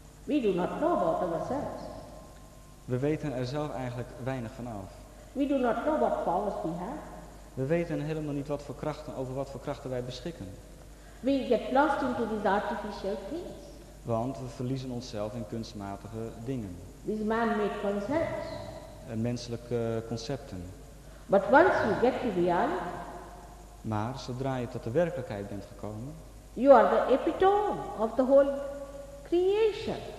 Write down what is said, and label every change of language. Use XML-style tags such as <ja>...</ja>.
<en>We do not know about ourselves.</en> <nl>We weten er zelf eigenlijk weinig van af.</nl> <en>We do not know what powers we have.</en> <nl>We weten helemaal niet wat voor krachten, over wat voor krachten wij beschikken.</nl> <en>We get lost into these artificial things.</en> <nl>Want we verliezen onszelf in kunstmatige dingen.</nl> <en>These man-made concepts.</en> <nl>Menselijke concepten.</nl> <en>But once you get to reality,</en> <nl>maar zodra je tot de werkelijkheid bent gekomen,</nl> <en>you are the epitome of the whole creation.</en>